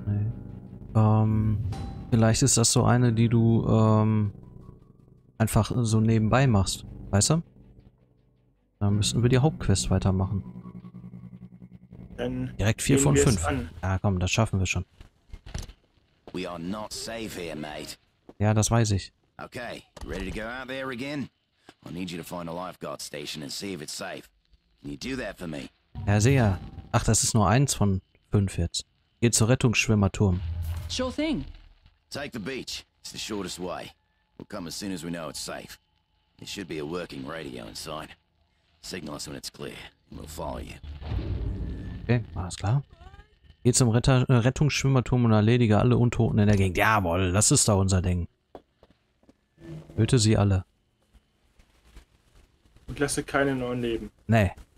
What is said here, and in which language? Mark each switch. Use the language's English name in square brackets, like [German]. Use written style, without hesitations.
[German] Nee. Vielleicht ist das so eine, die du einfach so nebenbei machst. Weißt du? Dann müssen wir die Hauptquest weitermachen. Dann direkt 4 von 5. Ja, komm, das schaffen wir schon. [English] We are not safe here, mate. [German] Ja, das weiß ich. [English] Okay, ready to go out there again? I need you to find a lifeguard station and see if it's safe. Can you do that for me? [German] Ja, sehr. Ach, das ist nur 1 von 5 jetzt. Geh zur Rettungsschwimmerturm. [English] Sure thing. Take the beach. It's the shortest way. We'll come as soon as we know it's safe. There should be a working radio inside. Signal us when it's clear. We'll follow you. [German] Okay, alles klar. Geh zum Rettungsschwimmerturm und erledige alle Untoten in der Gegend. Jawohl, das ist da unser Ding. Töte sie alle. Und lasse keine neuen leben. Nee.